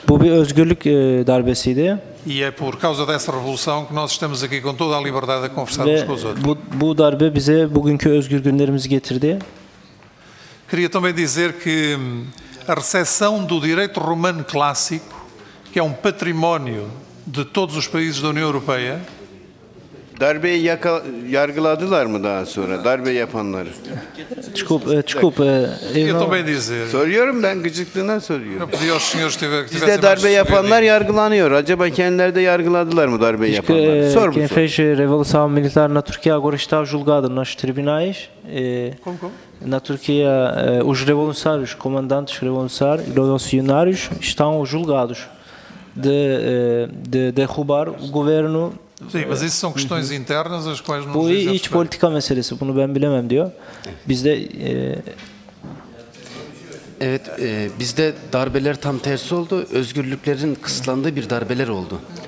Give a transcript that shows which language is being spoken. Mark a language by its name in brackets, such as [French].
[Turkish] Bu bir özgürlük darbesiydi. [Portuguese] E é por causa dessa revolução que nós estamos aqui com toda a liberdade a conversar uns com os outros. [Turkish] Bu darbe bize bugünkü özgür günlerimizi getirdi. [Portuguese] Queria também dizer que a recepção do direito romano clássico, que é um património de todos os países da União Europeia. [Turkish] Darbeyi yargıladılar mı daha sonra? Darbe yapanları. [Portuguese] Desculpe. Eu também dizer. [Turkish] Soruyorum ben gıcıklığına soruyorum. Ne diyor senhor Steve? Bizde darbe yapanlar yargılanıyor. Acaba kendileri de yargıladılar mı darbe yapanları? Sor bu soru. [Portuguese] Enfej revolução militar na Turquia agora está julgado nos tribunais. Na Turquia os revolucionários, comandantes revolucionários estão julgados. De derrubar o governo. Sim, mas isso são questões internas as quais não dizem. [Turkish] Bu iç politika meselesi. Bunu ben bilemem diyor. Bizde evet, bizde darbeler tam tersi oldu. Özgürlüklerin kısıtlandığı bir darbeler oldu.